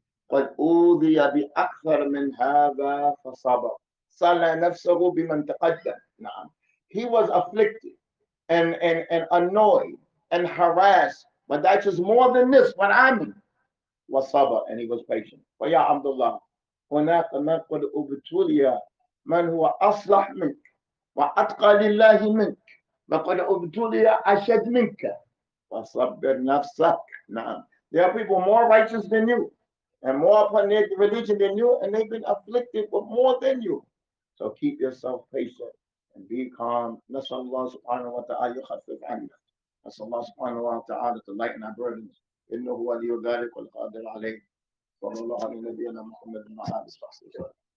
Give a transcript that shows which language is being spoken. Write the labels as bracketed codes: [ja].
[ar] قد أوذي بأكثر من هذا فصبر. صلى نفسه بمن تقدم. نعم. [en] He was afflicted and annoyed and harassed, but that is more than this. What I mean. وصبر and he was patient. [ar] ويا عبد الله هناك من قد ابتلي من هو اصلح منك واتقى لله منك وقد ابتلي اشد منك وصبر نفسك. نعم. [en] There are people more righteous than you and more upon their religion than you and they've been afflicted with more than you. So keep yourself patient and be calm. [ar] نسأل الله سبحانه وتعالى يخفف عنا. نسأل الله سبحانه وتعالى [en] to lighten our burdens. [ar] إنه ولي ذلك والقادر عليه صلى الله على نبينا محمد وعلى آله وصحبه وسلم.